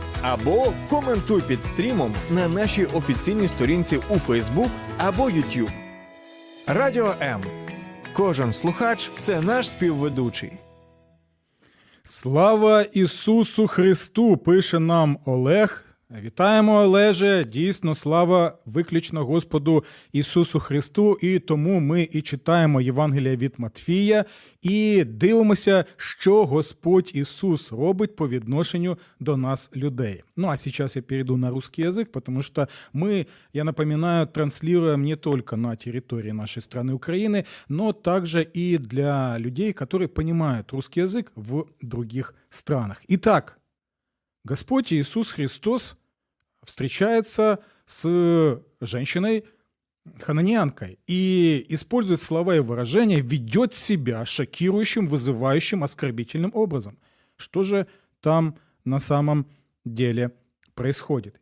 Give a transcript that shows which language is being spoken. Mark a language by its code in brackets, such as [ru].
[uk] Або коментуй під стрімом на нашій офіційній сторінці у Facebook або YouTube. Радіо М. Кожен слухач – це наш співведучий. Слава Ісусу Христу, пише нам Олег. Вітаємо, Олеже! Дійсно, слава виключно Господу Ісусу Христу, і тому ми і читаємо Євангелія від Матфія, і дивимося, що Господь Ісус робить по відношенню до нас, людей. Ну, а зараз я перейду на [ru] русский язык, [uk] тому що ми, [ru] я напоминаю, [uk] транслюємо не тільки на території нашої країни України, но також і для людей, які розуміють русский язык в інших країнах. [ru] І так, Господь Иисус Христос встречается с женщиной-хананиянкой и использует слова и выражения, ведет себя шокирующим, вызывающим, оскорбительным образом. Что же там на самом деле происходит?